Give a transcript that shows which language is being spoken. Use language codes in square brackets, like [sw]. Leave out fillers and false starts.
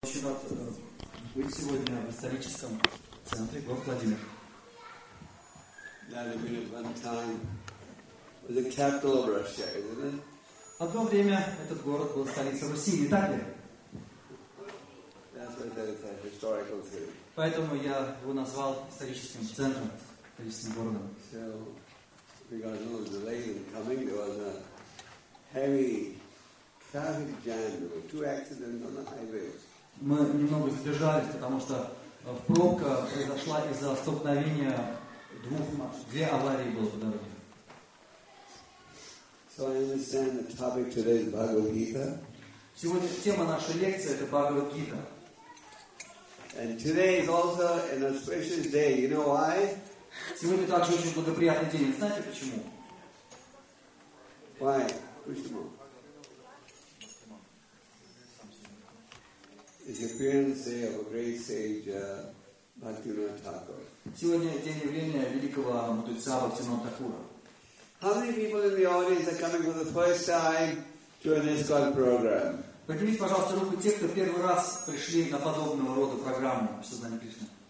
[ru] быть сегодня в историческом центре город Владимир. [en] That would be one time the capital of Russia, isn't it? [ru] Одно время этот город был столицей России, не так ли? [en] That's why I said it's a historical city. [ru] Поэтому я его назвал историческим центром, историческим городом. [en] So, regarding all the delay in coming, there was a heavy traffic jam, there were two accidents on the highways. [ru] Мы немного задержались, потому что пробка произошла из-за столкновения двух машин. Две аварии было по дороге. [en] So I understand the topic today is Bhagavad Gita. [ru] Сегодня тема нашей лекции — это Бхагавад Гита. [en] And today is also an auspicious day. You know why? [ru] Сегодня также очень благоприятный день. Знаете почему? [en] Why? [ru] Почему? [en] It's the appearance day of a great sage, Bhaktivinoda Thakur. [ru] Сегодня день явления великого мудреца Бхактивинода Такура. [en] How many people in the audience are coming for the first time to an ISKCON program? [ru] Поднимите, пожалуйста, руку те, кто первый раз пришли на подобного рода программу в сознании Кришны.